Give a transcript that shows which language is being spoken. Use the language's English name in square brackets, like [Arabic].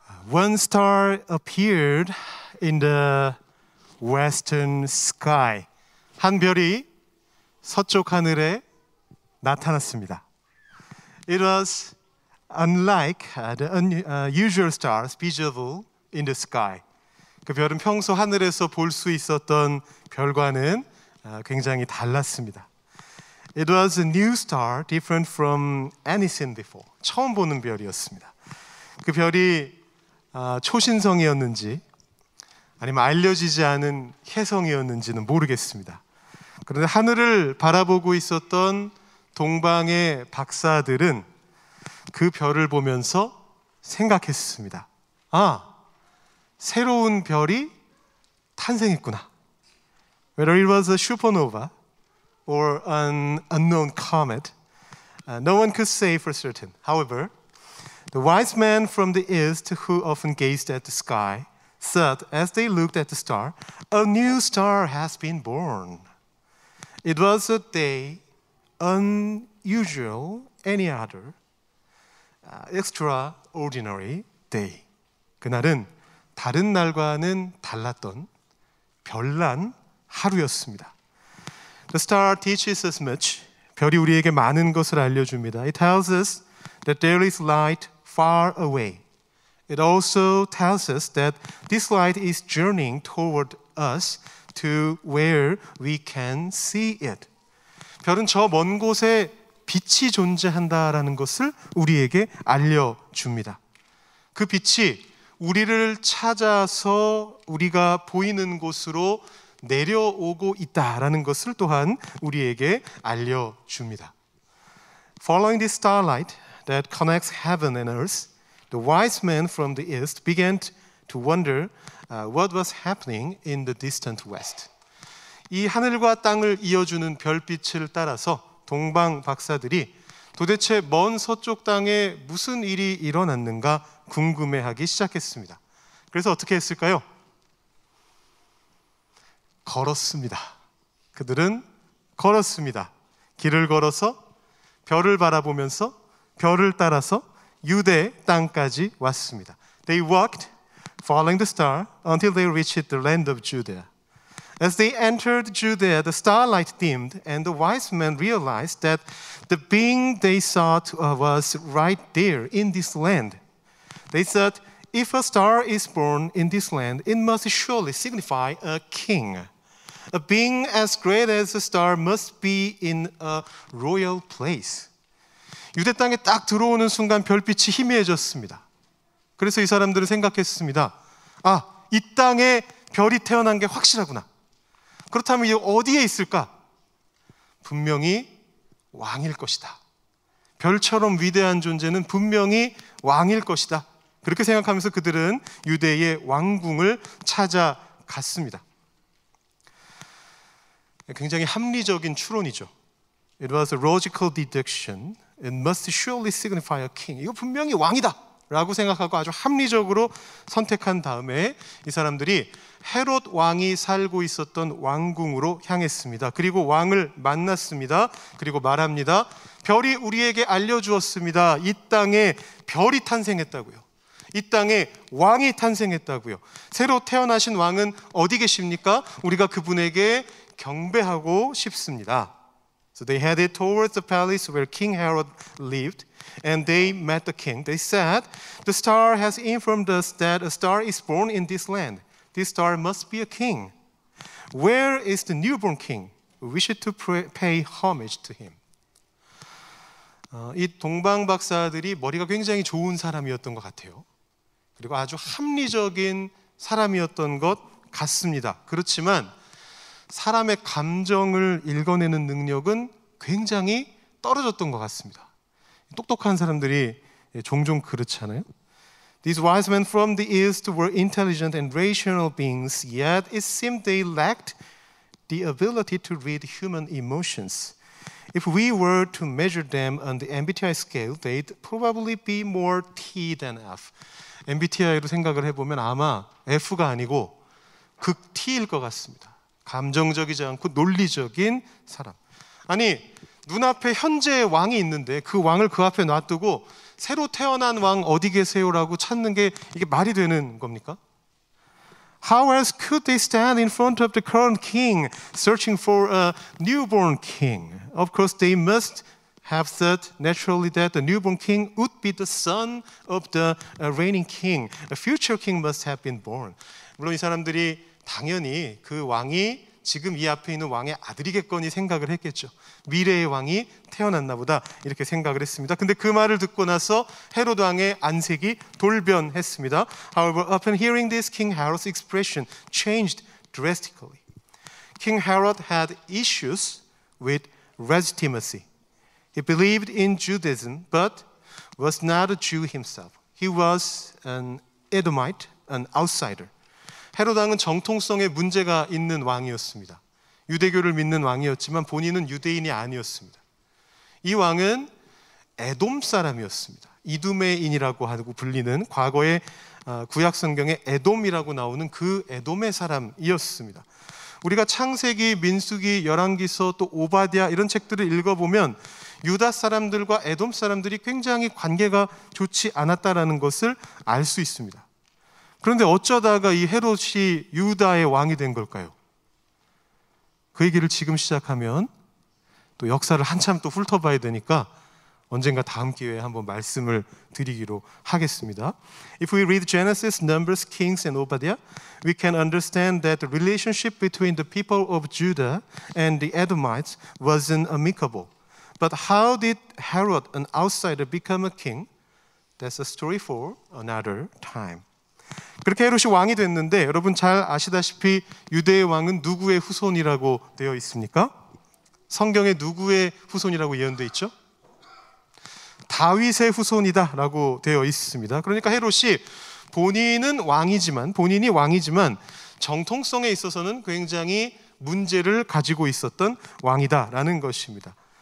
[English] one star appeared in the western sky. [Korean] 한 별이 서쪽 하늘에 나타났습니다. [English] It was unlike the usual stars visible in the sky. [Korean] 그 별은 평소 하늘에서 볼 수 있었던 별과는 굉장히 달랐습니다. [English] It was a new star, different from anything before. [Korean] 처음 보는 별이었습니다. 그 별이 초신성이었는지 아니면 알려지지 않은 혜성이었는지는 모르겠습니다. 그런데 하늘을 바라보고 있었던 동방의 박사들은 그 별을 보면서 생각했습니다. 아, 새로운 별이 탄생했구나. [English] Whether it was a supernova or an unknown comet, no one could say for certain. However, the wise men from the east who often gazed at the sky said as they looked at the star, a new star has been born. It was a day unusual any other, extraordinary day. [Korean] 그날은 다른 날과는 달랐던 별난 하루였습니다. [English] The star teaches us much. [Korean] 별이 우리에게 많은 것을 알려줍니다. [English] It tells us that there is light far away. It also tells us that this light is journeying toward us to where we can see it. [Korean] 별은 저 먼 곳에 빛이 존재한다라는 것을 우리에게 알려줍니다. 그 빛이 우리를 찾아서 우리가 보이는 곳으로 내려오고 있다라는 것을 또한 우리에게 알려줍니다. [English] Following this starlight that connects heaven and earth, the wise men from the east began to wonder what was happening in the distant west. [Korean] 이 하늘과 땅을 이어주는 별빛을 따라서 동방 박사들이 도대체 먼 서쪽 땅에 무슨 일이 일어났는가 궁금해하기 시작했습니다. 그래서 어떻게 했을까요? 걸었습니다. 그들은 걸었습니다. 길을 걸어서 별을 바라보면서 별을 따라서 유대 땅까지 왔습니다. [English] They walked, following the star, until they reached the land of Judea. As they entered Judea, the starlight dimmed, and the wise men realized that the being they sought was right there in this land. They said, if a star is born in this land, it must surely signify a king. A being as great as a star must be in a royal place. [Korean] 유대 땅에 딱 들어오는 순간 별빛이 희미해졌습니다. 그래서 이 사람들은 생각했습니다. 아, 이 땅에 별이 태어난 게 확실하구나. 그렇다면 이게 어디에 있을까? 분명히 왕일 것이다. 별처럼 위대한 존재는 분명히 왕일 것이다. 그렇게 생각하면서 그들은 유대의 왕궁을 찾아갔습니다. 굉장히 합리적인 추론이죠. [English] It was a logical deduction. It must surely signify a king. [Korean] 이거 분명히 왕이다 라고 생각하고 아주 합리적으로 선택한 다음에 이 사람들이 헤롯 왕이 살고 있었던 왕궁으로 향했습니다. 그리고 왕을 만났습니다. 그리고 말합니다. 별이 우리에게 알려주었습니다. 이 땅에 별이 탄생했다고요. 이 땅에 왕이 탄생했다고요. 새로 태어나신 왕은 어디 계십니까? 우리가 그분에게 경배하고 싶습니다. [English] So they headed towards the palace where King Herod lived, and they met the king. They said, the star has informed us that a star is born in this land. This star must be a king. Where is the newborn king? We wish to pay homage to him. [Korean] 이 동방 박사들이 머리가 굉장히 좋은 사람이었던 것 같아요. 그리고 아주 합리적인 사람이었던 것 같습니다. 그렇지만 사람의 감정을 읽어내는 능력은 굉장히 떨어졌던 것 같습니다. 똑똑한 사람들이 종종 그렇잖아요. [English] These wise men from the east were intelligent and rational beings, yet it seemed they lacked the ability to read human emotions. If we were to measure them on the MBTI scale, they'd probably be more T than F. [Korean] MBTI로 생각을 해보면 아마 F가 아니고 극 T일 것 같습니다. 감정적이지 않고 논리적인 사람. 아니, 눈앞에 현재의 왕이 있는데 그 왕을 그 앞에 놔두고 새로 태어난 왕 어디 계세요라고 찾는 게 이게 말이 되는 겁니까? [English] How else could they stand in front of the current king searching for a newborn king? Of course, they must have thought naturally that the newborn king would be the son of the reigning king. A future king must have been born. [Korean] 물론 이 사람들이 당연히 그 왕이 지금 이 앞에 있는 왕의 아들이겠거니 생각을 했겠죠. 미래의 왕이 태어났나 보다 이렇게 생각을 했습니다. 근데 그 말을 듣고 나서 헤롯 왕의 안색이 돌변했습니다. [English] However, upon hearing this, King Herod's expression changed drastically. King Herod had issues with legitimacy. He believed in Judaism, but was not a Jew himself. He was an Edomite, an outsider. [Korean] 헤롯 왕은 정통성에 문제가 있는 왕이었습니다. 유대교를 믿는 왕이었지만 본인은 유대인이 아니었습니다. 이 왕은 에돔 사람이었습니다. 이두메인이라고 하고 불리는 과거의 구약 성경에 에돔이라고 나오는 그 에돔의 사람이었습니다. 우리가 창세기, 민수기, 열왕기서 또 오바디아 이런 책들을 읽어보면 유다 사람들과 에돔 사람들이 굉장히 관계가 좋지 않았다라는 것을 알 수 있습니다. 그런데 어쩌다가 이 헤롯이 유다의 왕이 된 걸까요? 그 얘기를 지금 시작하면 또 역사를 한참 또 훑어봐야 되니까 언젠가 다음 기회에 한번 말씀을 드리기로 하겠습니다. [English] If we read Genesis, Numbers, Kings, and Obadiah, we can understand that the relationship between the people of Judah and the Edomites wasn't amicable. But how did Herod, an outsider, become a king? That's a story for another time. [Korean] 그렇게 헤롯이 왕이 됐는데 여러분 잘 아시다시피 유대의 왕은 누구의 후손이라고 되어 있습니까? 성경에 누구의 후손이라고 예언되어 있죠? 다윗의 후손이다 라고 되어 있습니다. 그러니까 헤롯이 본인은 왕이지만 본인이 왕이지만 정통성에 있어서는 굉장히 문제를 가지고 있었던 왕이다 라는 것입니다.